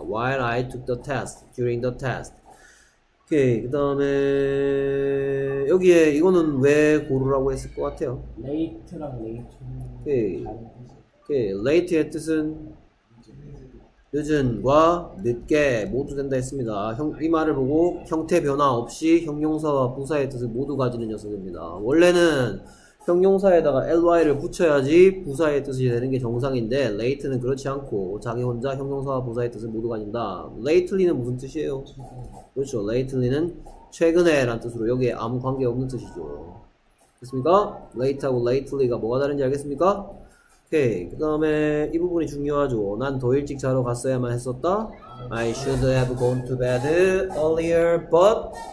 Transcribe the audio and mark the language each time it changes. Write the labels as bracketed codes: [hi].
[en] While I took the test, during the test. [ko] 오케이. 그 다음에 여기에 이거는 왜 고르라고 했을 것 같아요? late랑 late. 오케이. late의 뜻은 늦은과 늦게 모두 된다 했습니다. 이 말을 보고 형태 변화 없이 형용사와 부사의 뜻을 모두 가지는 녀석입니다. 원래는 형용사에다가 ly를 붙여야지 부사의 뜻이 되는 게 정상인데 late는 그렇지 않고 자기 혼자 형용사와 부사의 뜻을 모두 가진다. lately는 무슨 뜻이에요? 그렇죠. lately는 최근에 라는 뜻으로 여기에 아무 관계 없는 뜻이죠. 됐습니까? late하고 lately가 뭐가 다른지 알겠습니까? 오케이. 그 다음에 이 부분이 중요하죠. 난 더 일찍 자러 갔어야만 했었다. [en] I should have gone to bed earlier, but